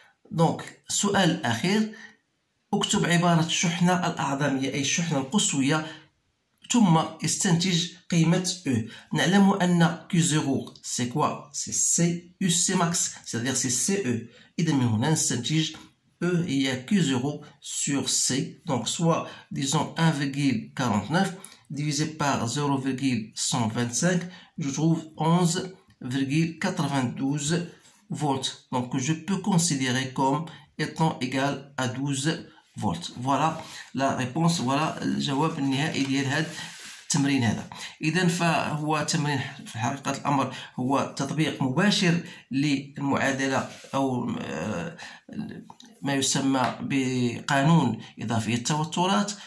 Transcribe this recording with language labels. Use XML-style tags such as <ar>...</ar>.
<ar>دونك السؤال الاخير اكتب عبارة الشحنة الاعظمية اي الشحنة القصوية ثم استنتج قيمة E. نعلم أن Q0 سي كوا؟ سي C U C max سيدير سي C E. إذا من هنا نستنتج</ar> <fr>E هي Q0 sur C donc soit disons 1,49 divisé par 0,125 je trouve 11,92 volts donc je peux considérer comme étant égal à 12 volts. Voilà la réponse, voilà le</fr> <ar>جواب النهائي ديال هذا التمرين هذا. اذا فهو تمرين في حقيقه الامر هو تطبيق مباشر للمعادله او ما يسمى بقانون اضافي التوترات.</ar>